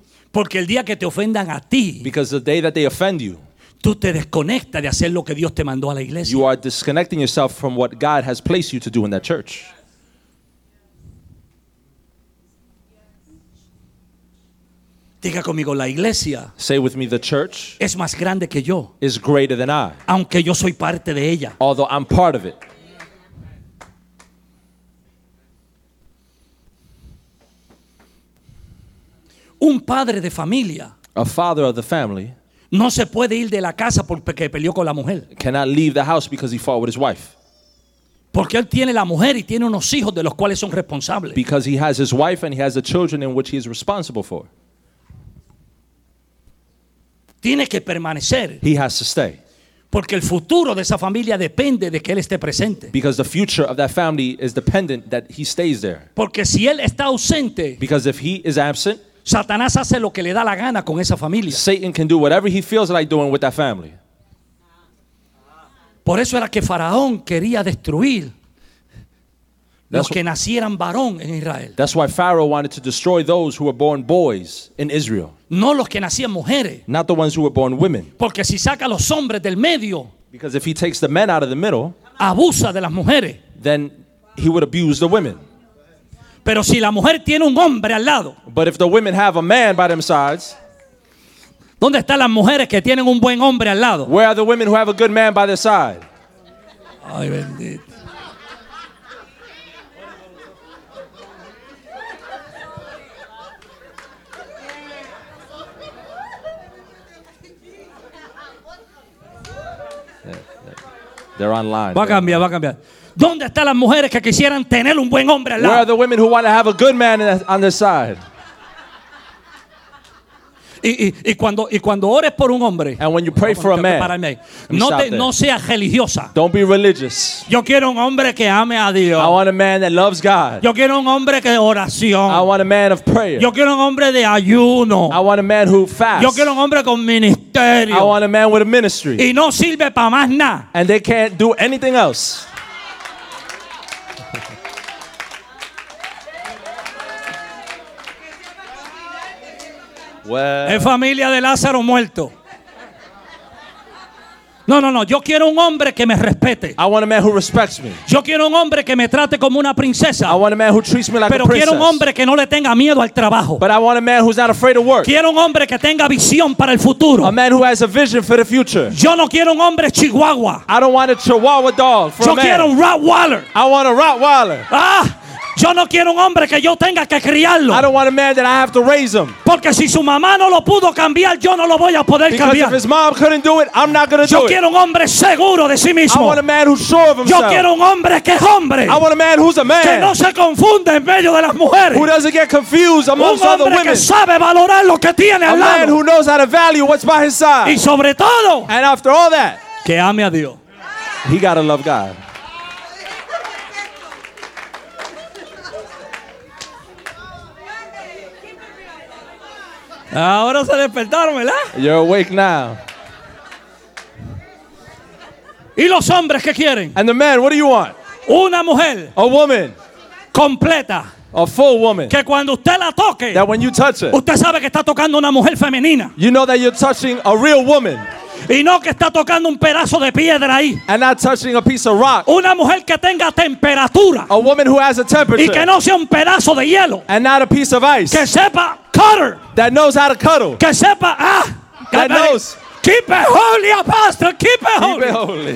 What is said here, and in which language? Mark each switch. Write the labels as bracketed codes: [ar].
[es] Porque el día que te ofendan a ti. [en] Because the day that they offend you. [es] Tú te desconectas de hacer lo que Dios te mandó a la iglesia. [en] You are disconnecting yourself from what God has placed you to do in that church. [es] Diga conmigo, la iglesia. [en] Say with me, the church. [es] Es más grande que yo. [en] Is greater than I. [es] Aunque yo soy parte de ella. [en] Although I'm part of it. [es] Un padre de familia. [en] A father of the family. [es] No se puede ir de la casa porque peleó con la mujer. [en] Cannot leave the house because he fought with his wife. [es] Porque él tiene la mujer y tiene unos hijos de los cuales son responsables. [en] Because he has his wife and he has the children in which he is responsible for. [es] Tiene que permanecer. [en] He has to stay. [es] Porque el futuro de esa familia depende de que él esté presente. [en] Because the future of that family is dependent that he stays there. [es] Porque si él está ausente. [en] Because if he is absent. [es] Satanás hace lo que le da la gana con esa familia. [en] Satan can do whatever he feels like doing with that family. [es] Por eso era que Faraón quería destruir los que nacieran varón en Israel. [en] That's why Pharaoh wanted to destroy those who were born boys in Israel. [es] No los que nacían mujeres. [en] Not the ones who were born women. [es] Porque si saca los hombres del medio. [en] Because if he takes the men out of the middle. [es] Abusa de las mujeres. [en] Then he would abuse the women. [es] Pero si la mujer tiene un hombre al lado. [en] But if the women have a man by them sides. [es] ¿Dónde están las mujeres que tienen un buen hombre al lado? [en] Where are the women who have a good man by their side? [es] Ay, bendito. [en] Yeah, They're online. [es] Va a cambiar, va a cambiar. ¿Dónde están las mujeres que quisieran tener un buen hombre al lado? [en] Where are the women who want to have a good man on the side? [es] Y cuando ores por un hombre, [en] and when you pray for a man, [es] no seas religiosa. [en] Don't be religious. [es] Yo quiero un hombre que ame a Dios. [en] I want a man that loves God. [es] Yo quiero un hombre que oración. [en] I want a man of prayer. [es] Yo quiero un hombre de ayuno. [en] I want a man who fasts. [es] Yo quiero un hombre con ministerio. [en] I want a man with a ministry. [es] Y no sirve para más nada. [en] And they can't do anything else. [es] Es familia de Lázaro muerto. No, no, no. Yo quiero un hombre que me respete. [en] I want a man who respects me. [es] Yo quiero un hombre que me trate como una princesa. [en] I want a man who treats me like a princess. [es] Pero quiero un hombre que no le tenga miedo al trabajo. [en] But I want a man who's not afraid of work. [es] Quiero un hombre que tenga visión para el futuro. [en] A man who has a vision for the future. [es] Yo no quiero un hombre chihuahua. [en] I don't want a chihuahua dog for a man. [es] Yo quiero un Rottweiler. [en] I want a Rottweiler. [es] Ah. Yo no quiero un hombre que yo tenga que criarlo. [en] I don't want a man that I have to raise him. [es] Porque si su mamá no lo pudo cambiar, yo no lo voy a poder cambiar. [en] Because if his mom couldn't do it, I'm not going to do it. [es] Yo quiero un hombre seguro de sí mismo. [en] I want a man who's sure of himself. [es] Yo quiero un hombre que es hombre. [en] I want a man who's a man. [es] Que no se confunde en medio de las mujeres. [en] Who doesn't get confused amongst other women. [es] Un hombre que sabe valorar lo que tiene al lado. [en] A man who knows how to value what's by his side. [es] Y sobre todo, [en] and after all that, [es] que ame a Dios. [en] He got to love God. [es] Ahora se despertaron, ¿verdad? [en] You're awake now. [es] ¿Y los hombres qué quieren? [en] And the men, what do you want? [es] Una mujer. [en] A woman. [es] Completa. [en] A full woman. [es] Que cuando usted la toque, [en] that when you touch her, [es] usted sabe que está tocando una mujer femenina. [en] You know that you're touching a real woman. [es] Y no que está tocando un pedazo de piedra ahí. [en] And not touching a piece of rock. [es] Una mujer que tenga temperatura. [en] A woman who has a temperature. [es] Y que no sea un pedazo de hielo. [en] And not a piece of ice. [es] Que sepa cutter. [en] That knows how to cuddle. [es] Que sepa, ah, [en] that knows. Keep it holy, Pastor. Keep it holy.